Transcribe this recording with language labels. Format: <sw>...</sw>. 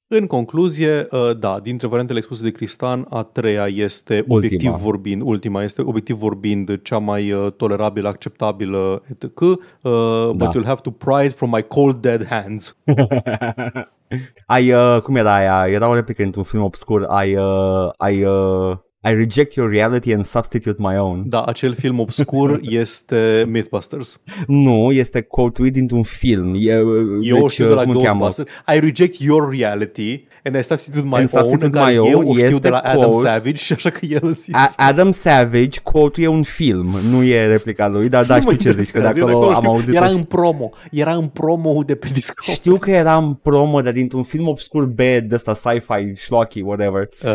<ro>În concluzie, dintre variantele expuse de Cristan, a treia este ultima este obiectiv vorbind cea mai tolerabilă, acceptabilă, etc.</ro> <en>But you'll have to pry it from my cold dead hands.</en> <ro>Ai, cum era aia? Era o replică într-un film obscur. Ai,</ro> <en>I reject your reality and substitute my own.</en> <ro>Da, acel film obscur este Mythbusters. Nu, este quote-uit dintr-un film. Eu deci, știu de la Ghostbusters.</ro> <en>I reject your reality and I substitute my and own.</en> <ro>În care eu știu de la quote, Adam Savage, și așa că el îl simt. Adam Savage, quote-ul e un film, nu e replica lui, dar da, știi ce zici, că de acolo am auzit. Era în promo, era în promo de pe Discord. Știu că era în promo, dar dintr-un film obscur, bad, ăsta, sci-fi, schlocky, whatever.</ro>